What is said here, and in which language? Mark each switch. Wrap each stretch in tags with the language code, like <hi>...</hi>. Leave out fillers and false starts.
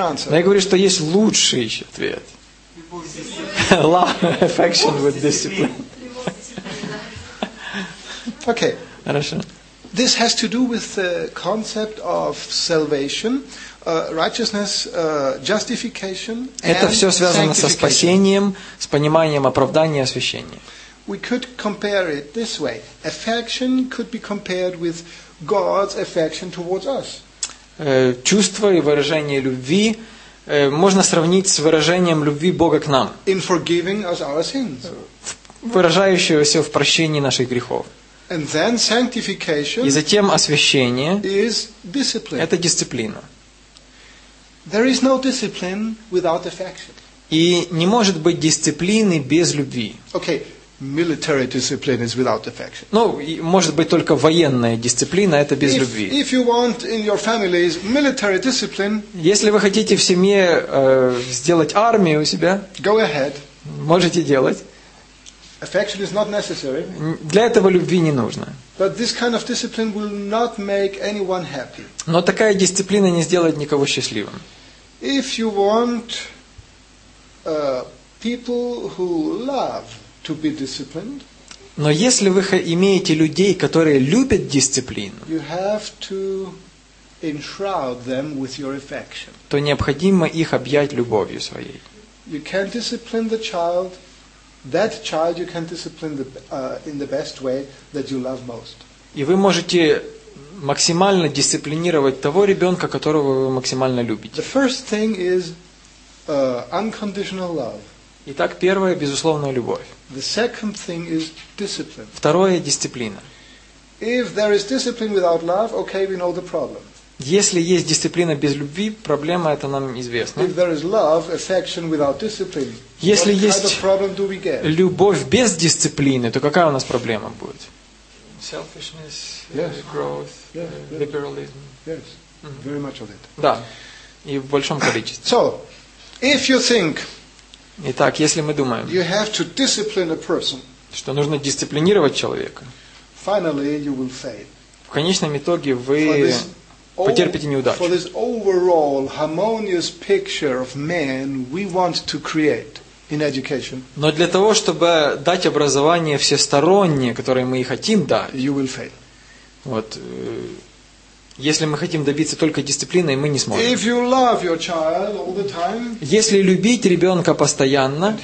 <ru>Но я говорю, что есть лучший ответ.</ru> <en>Love, affection with discipline. Okay.</en> <ru>Хорошо.</ru> <en>This has to do with the concept of salvation, righteousness, justification, and sanctification.</en> <ru>Это все связано со спасением, с пониманием оправдания и освящения.</ru> <en>We could compare it this way. Affection could be compared with God's affection towards us.</en> <ru>Чувство и выражение любви можно сравнить с выражением любви Бога к нам.</ru> <en>In forgiving us our sins.</en> <ru>Выражающегося в прощении наших грехов.</ru> <en>And then sanctification.</en> <ru>И затем освящение.</ru> <en>Is discipline.</en> <ru>Это дисциплина.</ru> <en>There is no discipline without affection.</en> <ru>И не может быть дисциплины без любви.</ru> <en>Okay. Military discipline is without affection.</en> <ru>Ну, может быть, только военная дисциплина это без любви.</ru> <en>If you want in your family is military discipline.</en> <ru>Если вы хотите в семье сделать армию у себя.</ru> <en>Go ahead.</en> <ru>Можете делать.</ru> <en>Affection is not necessary.</en> <ru>Для этого любви не нужно.</ru> <en>But this kind of discipline will not make anyone happy.</en> <ru>Но такая дисциплина не сделает никого счастливым.</ru> <en>If you want people who love to be disciplined.</en> <ru>Но если вы имеете людей, которые любят дисциплину,</ru> <en>you have to enshroud them with your affection.</en> <ru>То необходимо их объять любовью своей.</ru> <en>You can discipline the child. That child you can discipline the, in the best way that you love most.</en> <ru>И вы можете максимально дисциплинировать того ребенка, которого вы максимально любите.</ru> <en>The first thing is unconditional love.</en> <ru>Итак, первое – безусловная любовь.</ru> <en>The second thing is discipline.</en> <ru>Второе – дисциплина.</ru> <en>If there is discipline without love, okay, we know the problem.</en> <ru>Если есть дисциплина без любви, проблема – это нам известно.</ru> <en>If there is love, affection without discipline,</en> <ru>если</ru> <en>what kind of problem do we get?</en> <ru>Если есть любовь без дисциплины, то какая у нас проблема будет?</ru> <en>Selfishness, yes. Growth, yes. Liberalism. Yes, very much of it.</en> <ru>Да, и в большом количестве.</ru> <en>So, if you think</en> <ru>Итак, если мы думаем,</ru> <en>you have to discipline a person,</en> <ru>что нужно дисциплинировать человека,</ru> <en>finally you will fail.</en> <ru>В конечном итоге вы потерпите неудачу.</ru> <en>For this overall harmonious picture of man we want to create in education,</en> <ru>но для того, чтобы дать образование всестороннее, которое мы и хотим дать,</ru> <en>you will fail.</en> <ru>Вот, если мы хотим добиться только дисциплины, мы не сможем.</ru> <en>If you love your child all the time,</en> <ru>если любить ребенка постоянно,</ru>